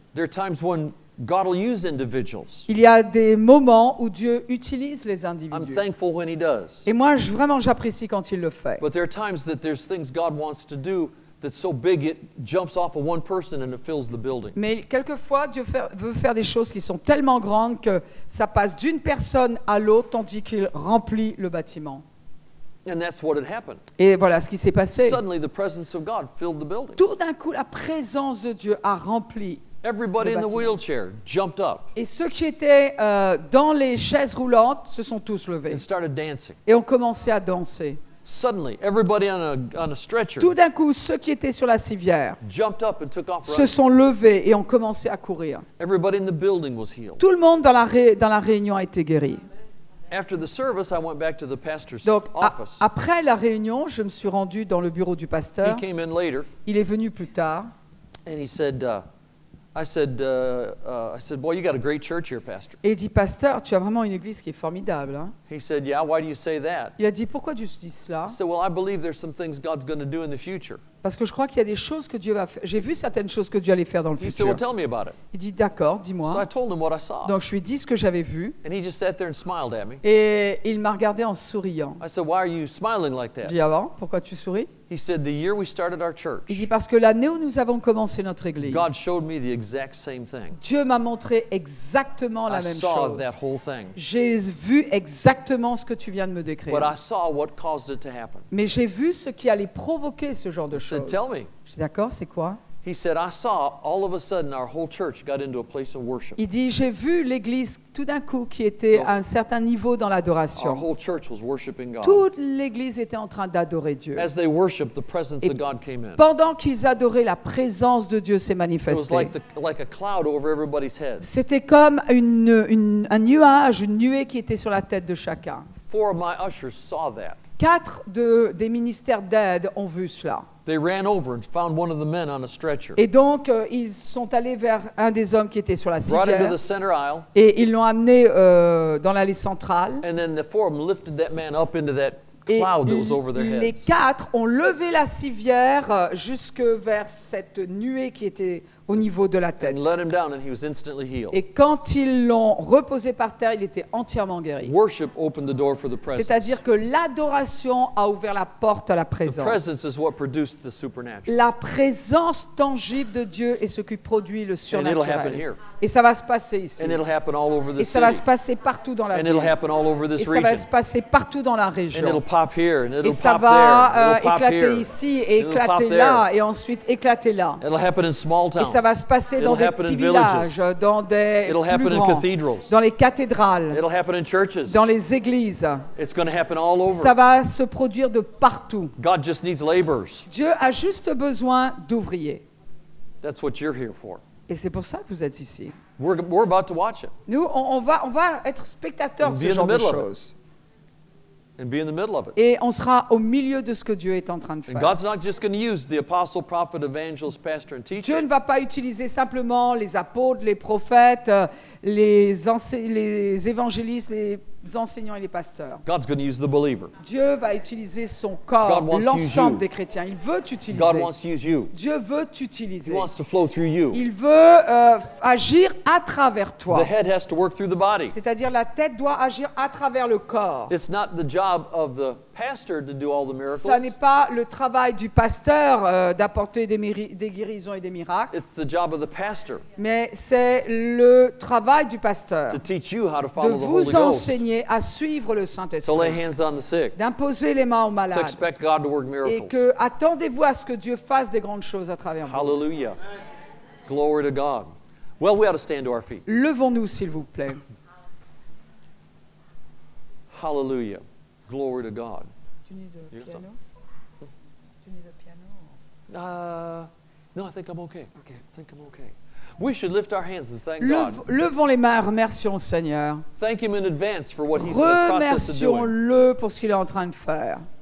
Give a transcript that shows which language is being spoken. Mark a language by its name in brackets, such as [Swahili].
[English] There are times when God will use individuals. [French] Il y a des moments où Dieu utilise les individus. [English] I'm thankful when he does. [French] Et moi, vraiment, j'apprécie quand il le fait. [English] But there are times that there's things God wants to do that's so big it jumps off of one person and it fills the building. [French] Mais quelquefois, Dieu veut faire des choses qui sont tellement grandes que ça passe d'une personne à l'autre tandis qu'il remplit le bâtiment. [English] And that's what had happened. [French] Et voilà ce qui s'est passé. [English] Suddenly, the presence of God filled the building. [French] Tout d'un coup, la présence de Dieu a rempli. [English] Everybody in the wheelchair jumped up. [French] Et ceux qui étaient dans les chaises roulantes se sont tous levés. [English] And started dancing. [French] Et ont commencé à danser. [English] Suddenly, everybody on a stretcher. [French] Tout d'un coup, ceux qui étaient sur la civière [English] jumped up and took off running. [French] Se sont levés et ont commencé à courir. [English] Everybody in the building was healed. [French] Tout le monde dans la réunion a été guéri. [English] After the service, I went back to the pastor's [French] Donc, [English] office. [French] Après la réunion, je me suis rendu dans le bureau du pasteur. [English] He came in later. [French] Il est venu plus tard. [English] And he said, I said, boy, you got a great church here, pastor. [French] Et dit pasteur, tu as vraiment une église qui est formidable. Hein? [English] He said, yeah. Why do you say that? [French] Il a dit pourquoi tu dis cela? [English] He said, well, I believe there's some things God's going to do in the future. [French] Parce que je crois qu'il y a des choses que Dieu va faire. J'ai vu certaines choses que Dieu allait faire dans le [English] he [French] futur. [English] He said, well, tell me about it. [French] Il dit d'accord, dis-moi. [English] So I told him what I saw. [French] Donc je lui ai dit ce que j'avais vu. [English] And he just sat there and smiled at me. [French] Et il m'a regardé en souriant. [English] I said, why are you smiling like that? [French] J'ai dit avant, pourquoi tu souris? [English] He said, the year we started our church. [French] Il dit parce que l'année où nous avons commencé notre église. [English] God showed me the exact same thing. [French] Dieu m'a montré exactement la [English] I [French] même [English] saw [French] chose. [English] That whole thing. [French] J'ai vu exactement ce que tu viens de me décrire. [English] But I saw what caused it to happen. [French] Mais j'ai vu ce qui allait provoquer ce genre de choses. [English] He said, tell me. [French] J'ai dit, d'accord, c'est quoi? [English] He said, I saw all of a sudden our whole church got into a place of worship. [French] Il dit, j'ai vu l'église tout d'un coup qui était à un certain niveau dans l'adoration. [English] Our whole church was worshiping God. [French] Toute l'église était en train d'adorer Dieu. [English] As they worshiped, the presence of God came in. [French] Pendant qu'ils adoraient, la présence de Dieu s'est manifestée. [English] It was like, like a cloud over everybody's head. [French] C'était comme un nuage, une nuée qui était sur la tête de chacun. [English] Four of my ushers saw that. [French] Quatre des ministères d'aide ont vu cela. [English] They ran over and found one of the men on a stretcher. [French] Et donc ils sont allés vers un des hommes qui était sur la civière. [English] Brought him to the center aisle. [French] Et ils l'ont amené dans l'allée centrale. [English] And then the four of them lifted that man up into that cloud that was over their heads. [French] Et les quatre ont levé la civière jusque vers cette nuée qui était au niveau de la tête. [English] And let him down and he was instantly healed. [French] Et quand ils l'ont reposé par terre, il était entièrement guéri. [English] Worship opened the door for the presence. [French] C'est-à-dire que l'adoration a ouvert la porte à la présence. [English] The presence is what produced the supernatural. [French] La présence tangible de Dieu est ce qui produit le surnaturel. [English] And it'll happen here. [French] Et ça va se passer ici. [English] And it'll happen all over the [French] Et ça va se passer partout dans la [English] ville. And it'll happen all over this [French] Et ça va se passer partout dans la région. [English] And it'll pop here, and it'll [French] et ça [English] pop [French] va [English] there, [French] éclater [English] here. [French] Ici et éclater là et ensuite éclater là. [English] It'll happen in small towns. [French] Ça va se passer [English] It'll [French] dans des petits villages, dans des [English] It'll [French] plus grands, [English] in cathedrals. [French] Dans les cathédrales, [English] It'll happen in churches. [French] Dans les églises. [English] It's gonna happen all over. [French] Ça va se produire de partout. [English] God just needs laborers. [French] Dieu a juste besoin d'ouvriers. [English] That's what you're here for. [French] Et c'est pour ça que vous êtes ici. [English] We're about to watch it. [French] Nous, on va être spectateurs de ce genre de choses. [English] And be in the middle of it. [French] Et on sera au milieu de ce que Dieu est en train de faire. [English] And God's not just going to use the apostle, prophet, evangelist, pastor, and teacher. [French] Dieu ne va pas utiliser simplement les apôtres, les prophètes, les évangélistes, les enseignants et les pasteurs. [English] God's going to use the believer. [French] Dieu va utiliser son corps, God wants l'ensemble des chrétiens. Il veut t'utiliser. [English] God wants to use you. [French] Dieu veut t'utiliser. [English] He wants to flow through you. [French] Il veut agir à travers toi. [English] The head has to work through the body. [French] C'est-à-dire la tête doit agir à travers le corps. [English] It's not the job of the pastor to do all the miracles. [French] Ça n'est pas le travail du pasteur d'apporter des guérisons et des miracles. [English] It's the job of the pastor. [French] Mais c'est le travail du pasteur. [English] To teach you how to follow the Holy [French] De vous enseigner à suivre le Saint-Esprit. [English] To lay hands on the sick. [French] D'imposer les mains aux malades. [English] To expect God to work miracles. [French] Et que attendez-vous à ce que Dieu fasse des grandes choses à travers vous. [English] Hallelujah. Glory to God. Well, we ought to stand to our feet. [French] Levons-nous s'il vous plaît. [English] Hallelujah. Glory to God. Do you need a piano? Do you need a piano? No, I think I'm okay. Okay. I think I'm okay. We should lift our hands and thank God. [French] Levons les mains, remercions le Seigneur. [English] Thank him in advance for what he's in the process of doing. [French] Remercions-le pour ce qu'il est en train de faire.